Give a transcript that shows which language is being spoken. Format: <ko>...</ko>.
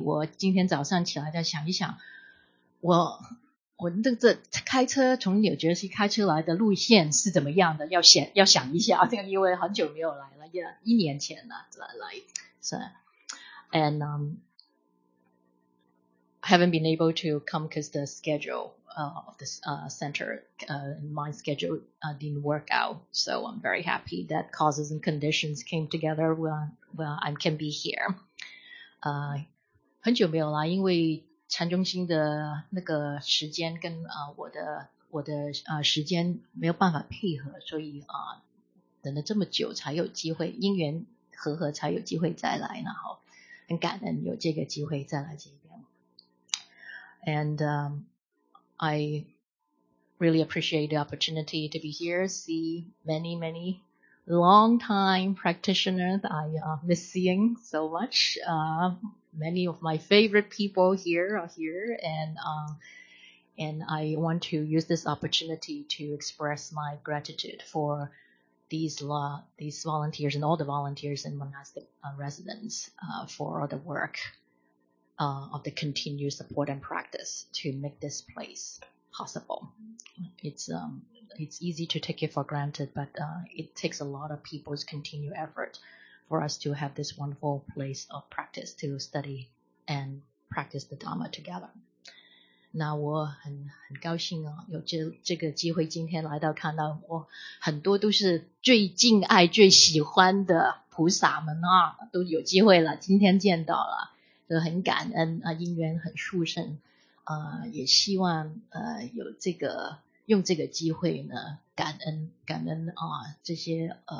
<zh>我今天早上起来再想一想，我这开车从纽约市开车来的路线是怎么样的，要想一下，因为很久没有来了，一年前了来。</zh> <en>So, and I haven't been able to come because the schedule of this center, my schedule didn't work out. So I'm very happy that causes and conditions came together where I can be here.</en> <zh>很久没有来，因为禅中心的那个时间跟我的时间没有办法配合，所以等了这么久才有机会，因缘和合才有机会再来，然后很感恩有这个机会再来这边。</zh> <en>And I really appreciate the opportunity to be here, see many, many long time practitioners I miss seeing so much. Many of my favorite people here are here, and I want to use this opportunity to express my gratitude for these volunteers and all the volunteers and monastic residents for all the work of the continued support and practice to make this place possible. It's easy to take it for granted, but it takes a lot of people's continued effort for us to have this wonderful place of practice to study and practice the Dhamma together.</en> <zh>那我很高兴啊，有这个机会今天来到，看到我很多都是最敬爱最喜欢的菩萨们啊，都有机会了，今天见到了，就很感恩啊，因缘很殊胜啊，也希望有这个用这个机会呢，感恩啊这些</zh>